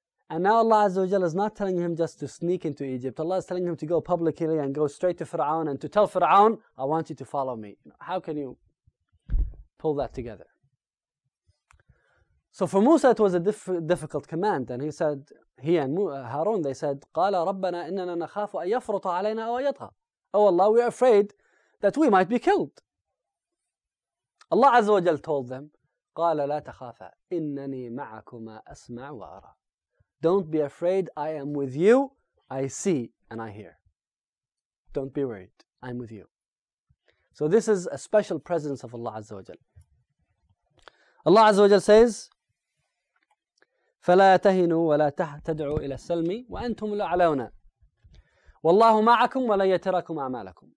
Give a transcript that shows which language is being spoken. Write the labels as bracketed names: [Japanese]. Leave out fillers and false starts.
[English] And now Allah Azza wa Jalla is not telling him just to sneak into Egypt. Allah is telling him to go publicly and go straight to Fir'aun and to tell Fir'aun, I want you to follow me. How can you pull that together? So for Musa, it was a difficult command. And he said, Harun, they said, [Arabic] قَالَ رَبَّنَا إِنَّنَا نَخَافُ أَن يَفْرُطَ عَلَيْنَا أَوْ يَطْغَى. [English] Oh Allah, we are afraid that we might be killed. Allah Azza wa Jalla told them, [Arabic] قَالَ لَا تَخَافَ إِنَّنِي مَعَكُمَا أَسْمَعُ وَأَرَى. [English] Don't be afraid, I am with you, I see and I hear. Don't be worried, I'm with you. So this is a special presence of Allah Azza wa Jal. Allah Azza wa Jal says, [Arabic] فَلَا تَهِنُوا وَلَا تَدْعُوا إِلَى السَّلْمِ وَأَنْتُمْ لَعْلَوْنَا وَاللَّهُ مَعَكُمْ وَلَنْ يَتَرَكُمْ أَعْمَالَكُمْ.